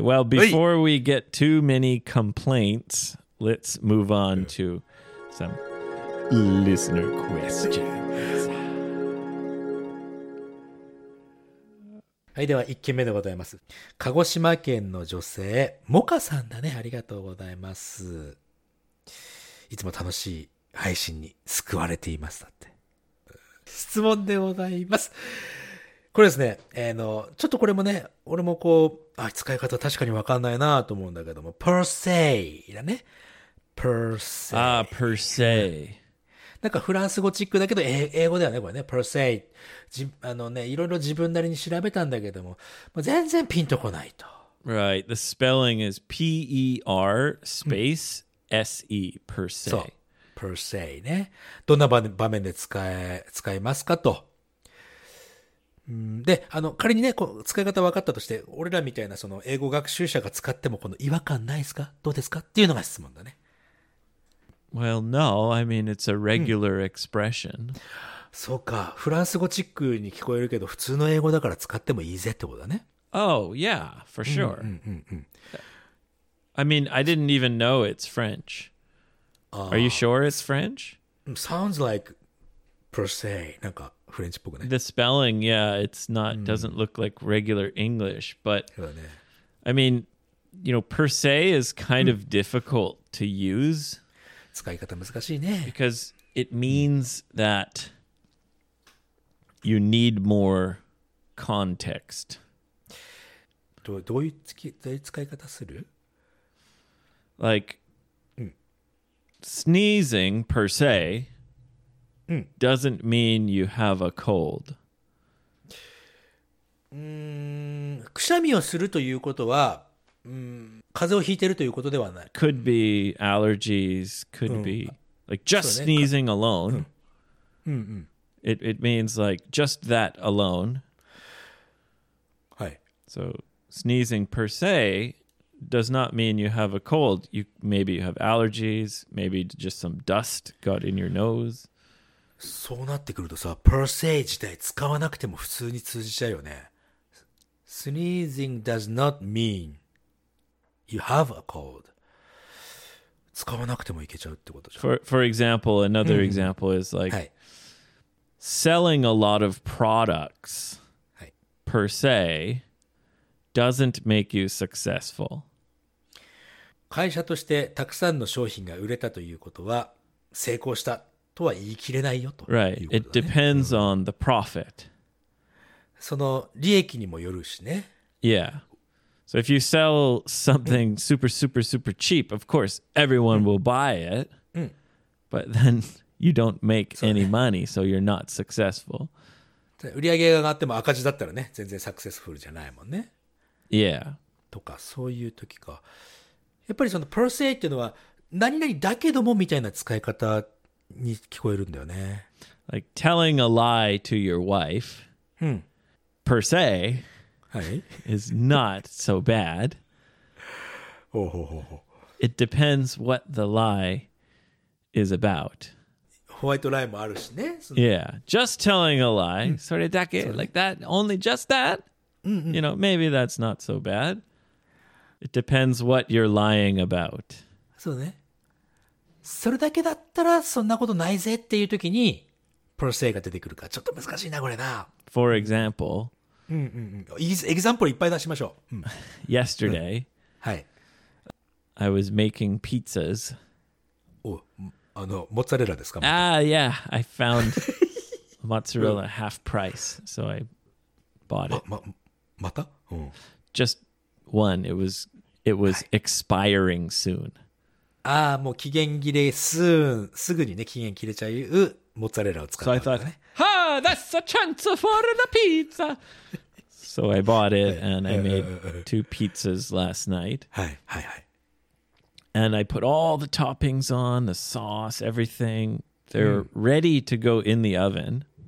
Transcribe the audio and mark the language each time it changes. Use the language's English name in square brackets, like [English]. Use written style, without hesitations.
[English] Well, before we get too many complaints. Let's move on to some listener questions. [Japanese] はい、では1件目でございます。鹿児島県の女性、モカさんだね。ありがとうございます。いつも楽しい配信に救われていますだって。質問でございます。これですね、ちょっとこれもね、俺もこう、あ、使い方確かに分かんないなと思うんだけども、per se だね。 [English] per se. Ah, per se. [Japanese] なんかフランス語チックだけど英語ではね、これね、per se。あのね、いろいろ自分なりに調べたんだけども、まあ、全然ピンとこないと。 [English] Right. The spelling is P-E-R space S-E, per se. [Japanese] そう。per se ね。どんな場面で使いますかと。で、あの、仮にね、こう使い方分かったとして、俺らみたいなその英語学習者が使ってもこの違和感ないですか?どうですか?っていうのが質問だね。 [English] Well, no, I mean, it's a regular expression. [Japanese] そうか。フランス語チックに聞こえるけど、普通の英語だから使ってもいいぜってことだね。 [English] Oh, yeah, for sure. I mean, I didn't even know it's French. Are you sure it's French? Sounds like per se. [Japanese] なんかフレンチっぽくね。 [English] The spelling, yeah, it's not, doesn't look like regular English. But, I mean, you know, per se is kind of difficult to use. [Japanese] 使い方難しいね。 [English] Because it means that you need more context. [Japanese] どういう使い方する? [English] Like, sneezing per se doesn't mean you have a cold. [Japanese] くしゃみをするということは、風邪をひいてるということではない。 [English] Could be allergies, could be like just sneezing alone. It means like just that alone. [Japanese] はい。 [English] So sneezing per se does not mean you have a cold. You maybe you have allergies, maybe just some dust got in your nose. [Japanese] そうなってくるとさ、per se 自体使わなくても普通に通じちゃうよね。 [English] Sneezing does not mean.You have a cold. [Japanese] 使わなくても行けちゃうってことじゃん。 [English] For example, another example is like、 [Japanese] はい、 [English] selling a lot of products、 [Japanese] はい、 [English] per se doesn't make you successful. [Japanese] 会社としてたくさんの商品が売れたということは成功したとは言い切れないよということだね。 [English] Right. It depends on the profit. [Japanese] その利益にもよるしね。 [English] Yeah. So if you sell something super, super, super cheap, of course, everyone will buy it. But then you don't make any money, so you're not successful. [Japanese] 売り上げが上がっても赤字だったらね、全然サクセスフルじゃないもんね。 [English] Yeah. [Japanese] とか、そういう時か。やっぱりその per se っていうのは、何々だけどもみたいな使い方に聞こえるんだよね。 [English] Like telling a lie to your wife, per se... is not so bad. Oh, oh, oh, oh. It depends what the lie is about. [Japanese] ホワイトライもあるしね。 [English] Yeah, just telling a lie, [Japanese] それだけ、 [English] like that, only just that, you know, maybe that's not so bad. It depends what you're lying about. [Japanese] そうね。それだけだったらそんなことないぜっていう時に、per se が出てくるか。ちょっと難しいな、これな。 [English] For example, [Japanese] エグザンプルいっぱい出しましょう。 [English] Yesterday, I was making pizzas. [Japanese] お、あの、モッツァレラですか? [English] Ah, yeah, I found mozzarella half price, so I bought it. [Japanese] また? [English] Just one, it was expiring soon. [Japanese] Ah, もう期限切れ soon, すぐにね、期限切れちゃうモッツァレラを使った。 [English] So I thought, ha, that's a chance for the pizza! So I bought it and I made two pizzas last night. And I put all the toppings on, the sauce, everything. They're ready to go in the oven.